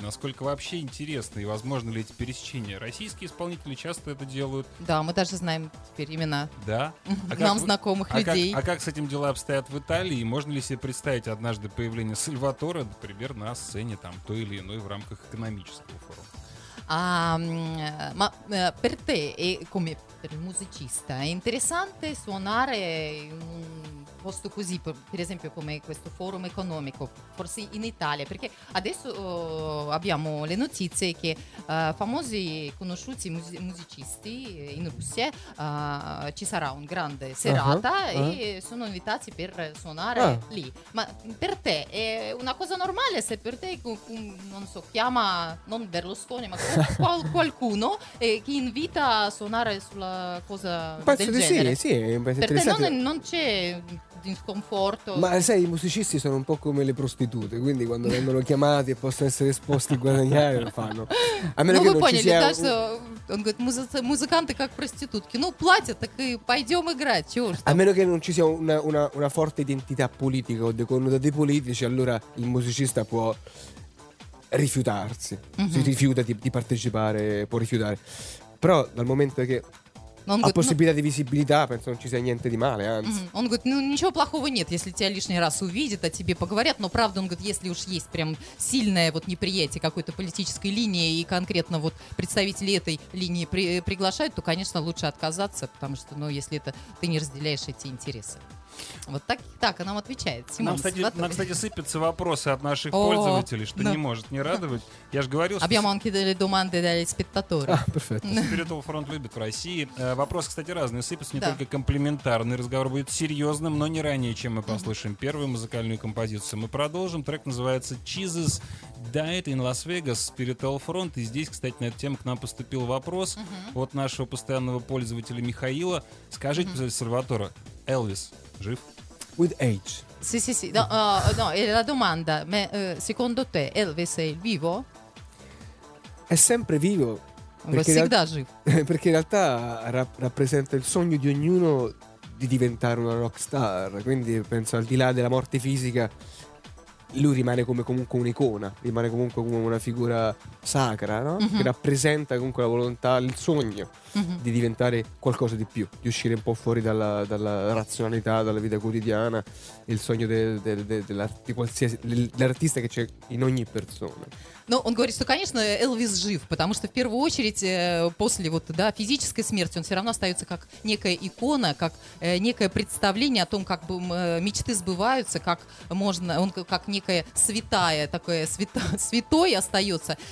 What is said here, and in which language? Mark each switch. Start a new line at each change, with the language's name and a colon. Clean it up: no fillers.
Russian: Насколько вообще интересно и возможно ли эти пересечения? Российские исполнители часто это делают. Да, мы даже знаем теперь имена. Да? Знакомых людей. А как с этим дела обстоят в Италии? Можно ли себе представить однажды появление Сальватора, например, на сцене там той или иной в рамках экономического форума?
Italian: Ma per te e come per il musicista è interessante suonare in un posto così, per esempio come questo forum economico, forse in Italia, perché adesso abbiamo le notizie che famosi conosciuti musicisti in Russia, ci sarà un grande serata e sono invitati per suonare lì. Ma per te è una cosa normale se per te non so, chiama non Berlusconi ma qualcuno che invita a suonare sulla cosa penso del di genere? Sì, sì, per te non c'è di sconforto? Ma sai, i musicisti sono un po' come le prostitute, quindi quando vengono chiamati e possono essere esposti a guadagnare lo fanno. A meno che non ci sia
Russian: музыканты как проститутки. Ну, платят, так и пойдем играть. Чего ж там?
Italian: A meno che non ci sia una forte identità politica o dei connotati politici, allora il musicista può rifiutarsi. Mm-hmm. Si rifiuta di partecipare, può rifiutare. Però dal momento che ha possibilità di visibilità, penso non ci sia niente di male, anzi. Mm-hmm.
Russian: Он говорит, ничего плохого нет, если тебя лишний раз увидят, о тебе поговорят, но правда, он говорит, если уж есть прям сильное вот неприятие какой-то политической линии и конкретно вот представители этой линии приглашают, то, конечно, лучше отказаться, потому что, ну, если это ты не разделяешь эти интересы. Вот так нам отвечает Симон. Нам, кстати, сыпятся вопросы от наших пользователей, что не может не радовать. Я же говорил, что...
Italian: Abbiamo anche delle domande dagli spettatori. Ah, perfetto.
Russian: Spiritual Front любит в России. Вопросы, кстати, разные. Сыпятся не только комплиментарные. Разговор будет серьезным, но не ранее, чем мы послушаем первую музыкальную композицию. Мы продолжим. Трек называется «Jesus Died in Las Vegas» Spiritual Front. И здесь, кстати, на эту тему к нам поступил вопрос от нашего постоянного пользователя Михаила. Скажите, пожалуйста, Сальватора, Элвис жив?
English: With age.
Italian: Sì, sì, sì. No, è la domanda. Ma secondo te Elvis è vivo? È sempre vivo. Perché in realtà rappresenta il sogno di ognuno di diventare una rock star. Quindi penso al di là della morte fisica, lui rimane come comunque un'icona, rimane comunque come una figura sacra, no? Mm-hmm. Che rappresenta comunque la volontà, il sogno di diventare qualcosa di più, di uscire un po' fuori dalla razionalità, dalla vita quotidiana, il sogno dell'artista che c'è in ogni persona.
Russian: Но он говорит, что, конечно, Элвис жив, потому что в первую очередь после вот, да, физической смерти он все равно остается как некая икона, как некое представление о том, как бы мечты сбываются, как можно, он как некая святая, такое святой остается.